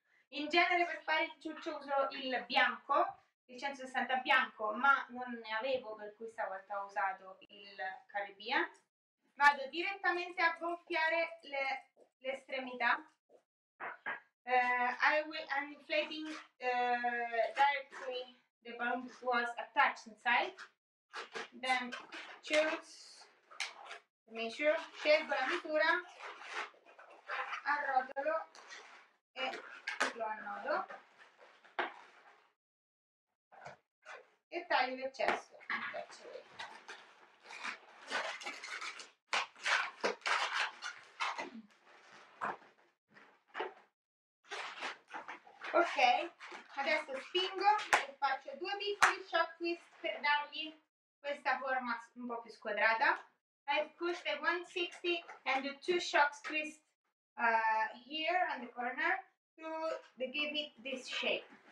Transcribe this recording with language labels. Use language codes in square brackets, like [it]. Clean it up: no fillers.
[it] In genere per fare il ciuccio uso il bianco, il 160 bianco, ma non ne avevo, per cui stavolta ho usato il Caribbean. Vado direttamente a gonfiare le estremità. [en] I'm inflating directly the balloon that was attached inside. Then choose the measure, [it] scelgo la misura, arrotolo e lo annodo. E taglio l'eccesso. Ok, adesso spingo e faccio due piccoli shot twist per dargli questa forma un po' più squadrata. [en] I push the 160 and the two shot twist here on the corner to give it this shape.